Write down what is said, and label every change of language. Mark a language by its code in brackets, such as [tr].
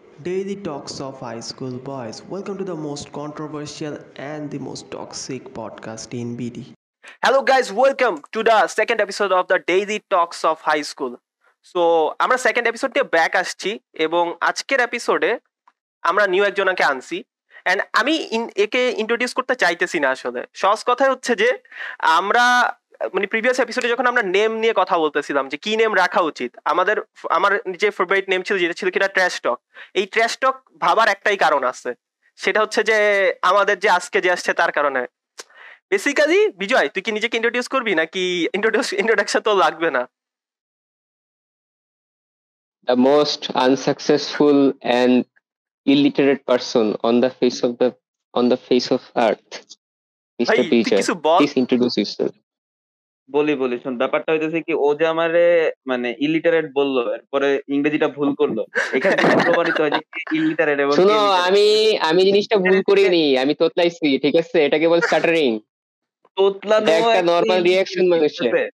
[en] Daily talks of high school boys. Welcome to the most controversial and the most toxic podcast in BD. Hello guys, welcome to the second episode of the Daily talks of high school. [bn] So আমরা second এপিসোডে back আসছি এবং আজকের এপিসোডে আমরা new একজনকে আনছি। And আমি একে ইন্ট্রোডিউস করতে চাইতেছি না, আসলে সহজ কথা হচ্ছে যে আমরা মানে প্রিভিয়াস এপিসোডে যখন আমরা নেম নিয়ে কথা বলতেছিলাম যে কি নেম রাখা উচিত, আমাদের আমার যে ফেভারিট নেম ছিল যেটা ছিল কিনা ট্র্যাশ টক, এই ট্র্যাশ টক ভাবার একটাই কারণ আছে, সেটা হচ্ছে যে আমাদের যে আজকে যে আসছে তার কারণে। বেসিক্যালি বিজয়, তুই কি নিজেকে ইন্ট্রোডিউস করবি নাকি ইন্ট্রোডাকশন তো লাগবে না? [en] The most unsuccessful and illiterate person on the face of earth. Mr. Bijoy, please introduce yourself. [bn] বলি শোন, ব্যাপারটা হইতেছে কি, ও যে আমারে মানে ইলিটারেট বললো, এরপরে ইংরেজিটা ভুল করলো, এখানে প্রমাণিত হয় যে ইলিটারেট। এবং শোনো, আমি আমি জিনিসটা ভুল করিনি, আমি তোতলাইছি, ঠিক আছে? এটাকে বল স্ট্যাটারিং, তোতলানো একটা নরমাল রিঅ্যাকশন মানুষের,